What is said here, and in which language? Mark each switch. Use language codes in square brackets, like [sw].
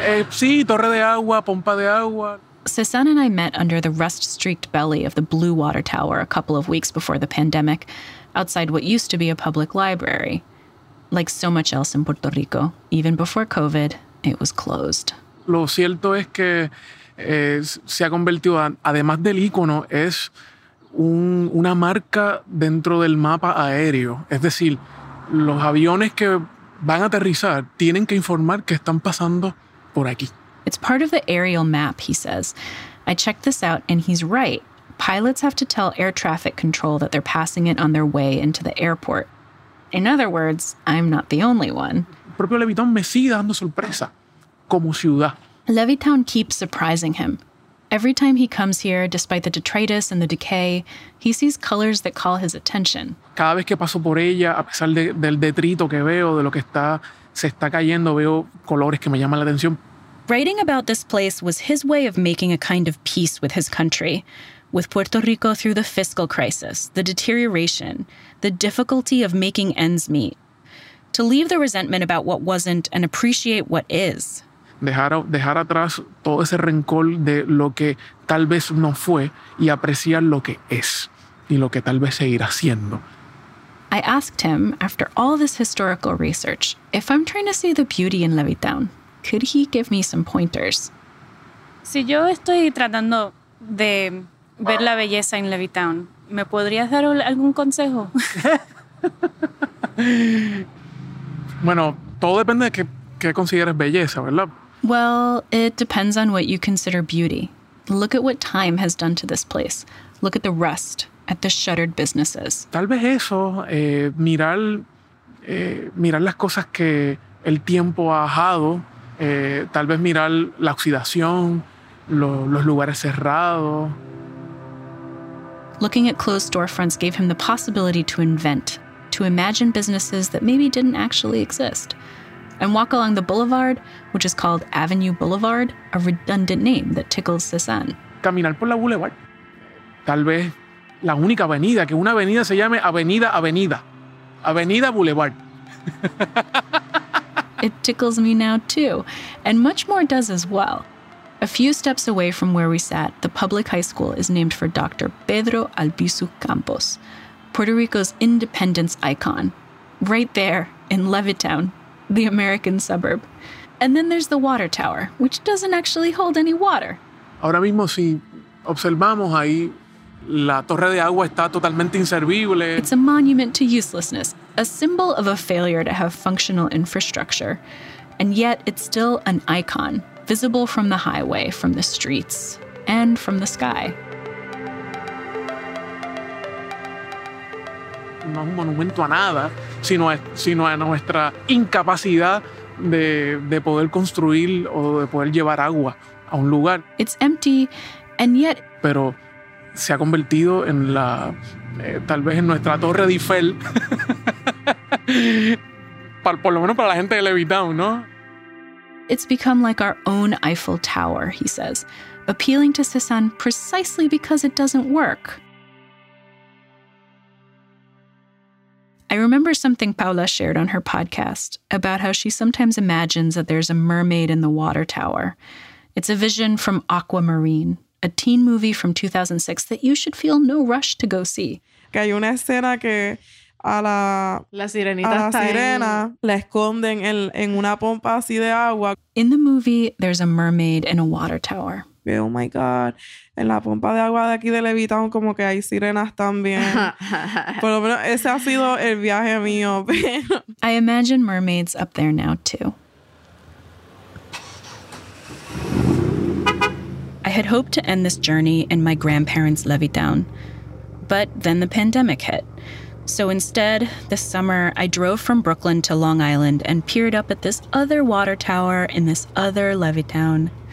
[es] Sí, torre de agua, pompa de agua. [en] Cezanne and I met under the rust-streaked belly of the Blue Water Tower a couple of weeks before the pandemic, outside what used to be a public library. Like so much else in Puerto Rico, even before COVID, it was closed. [es] Lo cierto es que se ha convertido, además del icono, es una marca dentro del mapa aéreo. Es decir, los aviones que van a aterrizar tienen que informar que están pasando por aquí. [en] It's part of the aerial map, he says. I checked this out, and he's right. Pilots have to tell air traffic control that they're passing it on their way into the airport. In other words, I'm not the only one. [es] Propio Levittown me sigue dando sorpresa como ciudad. [en] Levittown keeps surprising him. Every time he comes here, despite the detritus and the decay, he sees colors that call his attention. [es] Cada vez que paso por ella, a pesar del detrito que veo, de lo que se está cayendo, veo colores que me llaman la atención. [en] Writing about this place was his way of making a kind of peace with his country, with Puerto Rico through the fiscal crisis, the deterioration, the difficulty of making ends meet. To leave the resentment about what wasn't and appreciate what is. [es] Dejar atrás todo ese rencor de lo que tal vez no fue y apreciar lo que es y lo que tal vez seguirá siendo. [en] I asked him, after all this historical research, if I'm trying to see the beauty in Levittown, could he give me some pointers? [es] Si yo estoy tratando de ver la belleza en Levittown, ¿me podrías dar algún consejo? Bueno, todo depende de qué consideres belleza, ¿verdad? [en] Well, it depends on what you consider beauty. Look at what time has done to this place. Look at the rust, at the shuttered businesses. [es] Tal vez eso, mirar las cosas que el tiempo ha dejado, tal vez mirar la oxidación, los lugares cerrados. [en] Looking at closed storefronts gave him the possibility to invent, to imagine businesses that maybe didn't actually exist. And walk along the boulevard, which is called Avenue Boulevard, a redundant name that tickles Cezanne. [es] Caminar por la boulevard. Tal vez la única avenida, que una avenida se llame Avenida Avenida. Avenida Boulevard. [en] It tickles me now too, and much more does as well. A few steps away from where we sat, the public high school is named for Dr. Pedro Albizu Campos, Puerto Rico's independence icon. Right there, in Levittown, the American suburb. And then there's the water tower, which doesn't actually hold any water. [es] Ahora mismo, si observamos ahí, la torre de agua está totalmente inservible. [en] It's a monument to uselessness, a symbol of a failure to have functional infrastructure. And yet, it's still an icon, visible from the highway, from the streets, and from the sky. [es] No es un monumento a nada, sino a nuestra incapacidad de poder construir o de poder llevar agua a un lugar. [en] It's empty, and yet... [es] Pero se ha convertido en la... tal vez en nuestra Torre Eiffel. por lo menos para la gente de Levittown, ¿no? [en] It's become like our own Eiffel Tower, he says, appealing to Cezanne precisely because it doesn't work. I remember something Paula shared on her podcast about how she sometimes imagines that there's a mermaid in the water tower. It's a vision from Aquamarine, a teen movie from 2006 that you should feel no rush to go see. [es] Que hay una escena que a la sirenita, a la sirena, la esconden en una pompa así de agua. [en] In the movie, there's a mermaid in a water tower. Oh my God, [es] en la pompa de agua de aquí de Levittown como que hay sirenas también. Por lo menos ese ha sido el viaje mío. [en] I imagine mermaids up there now too. I had hoped to end this journey in my grandparents' Levittown. But then the pandemic hit. So instead, this summer, I drove from Brooklyn to Long Island and peered up at this other water tower in this other Levittown.